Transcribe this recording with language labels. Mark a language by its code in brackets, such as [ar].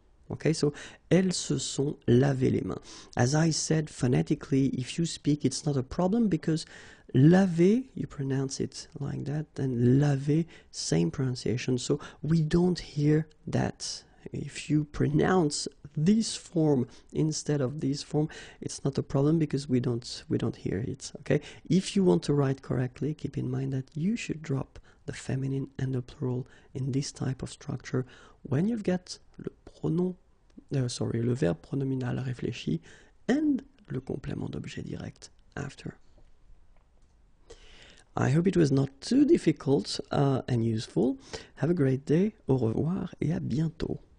[fr] Okay, so, elles se sont lavées les mains. [en] As I said, phonetically, if you speak, it's not a problem because laver, you pronounce it like that, and laver, same pronunciation. So, we don't hear that. If you pronounce this form instead of this form, it's not a problem because we don't hear it. Okay, if you want to write correctly, keep in mind that you should drop the feminine and the plural in this type of structure when you've got [fr] le verbe pronominal réfléchi [en] and [fr] le complément d'objet direct [en] after. I hope it was not too difficult and useful. Have a great day, [fr] au revoir et à bientôt.